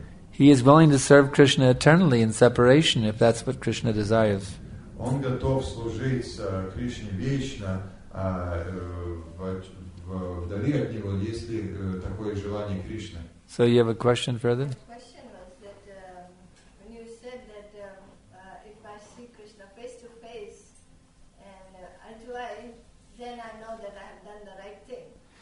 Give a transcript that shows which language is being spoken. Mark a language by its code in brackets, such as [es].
[en] He is willing to serve Krishna eternally in separation, if that's what Krishna desires. [ru] Он готов служить Кришне вечно. Вдали от него есть ли такое желание Кришны? [en] So you have a question further? The question was that when you said that if I see Krishna face to face and eye to eye, then I know that I have done the right thing.